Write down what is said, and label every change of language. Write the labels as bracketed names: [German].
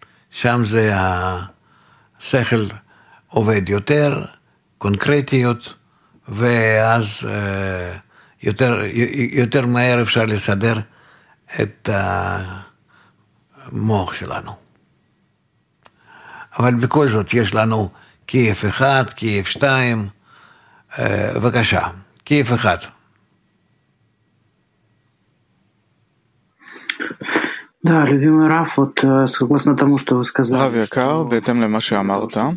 [Hebrew] שם זה השכל עובד יותר, קונקרטיות, ואז יותר מהר אפשר לסדר את המוח שלנו. אבל בכל זאת יש לנו כיף אחד, כיף שתיים, בבקשה, כיף אחד. [Russian] Да, любимый Раф, вот согласно тому, что вы сказали, [Hebrew] Рав Якар, בהתאם למה שאמרת,